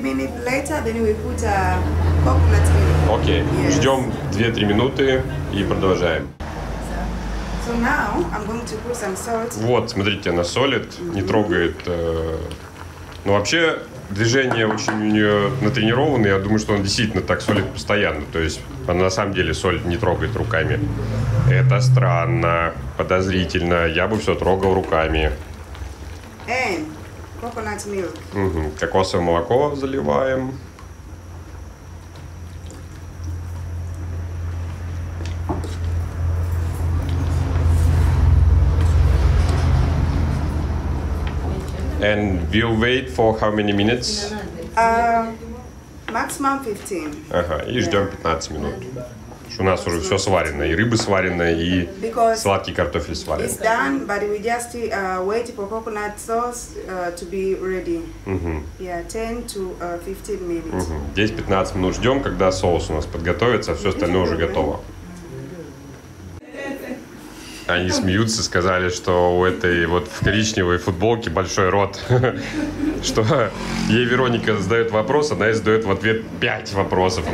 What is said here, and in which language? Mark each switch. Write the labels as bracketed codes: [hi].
[en] 2-3 minutes later, then we put a coconut milk. [ru] Окей, [en] yes. [ru] Ждем 2-3 минуты и продолжаем. [en] So now, I'm going to put some salt. [ru] Вот, смотрите, она солит, не трогает. Ну, вообще, движение очень у нее натренированное. Я думаю, что она действительно так солит постоянно. То есть, она на самом деле соль не трогает руками. Это странно, подозрительно. Я бы все трогал руками. [en] And coconut milk. Угу. [ru] Кокосовое молоко заливаем. Mm-hmm. [en] And we'll wait for how many minutes? Maximum 15. [ru] Ага, и ждем 15 минут. У нас уже все сварено, и рыба сварена, и сладкий картофель сварен. [en] It's done, but we just wait for coconut sauce to be ready. Yeah, 10 to 15 minutes. [ru] 10-15 минут ждем, когда соус у нас подготовится, а все остальное уже готово. Они смеются, сказали, что у этой вот в коричневой футболке большой рот. Что ей Вероника задает вопрос, она ей задает в ответ 5 вопросов.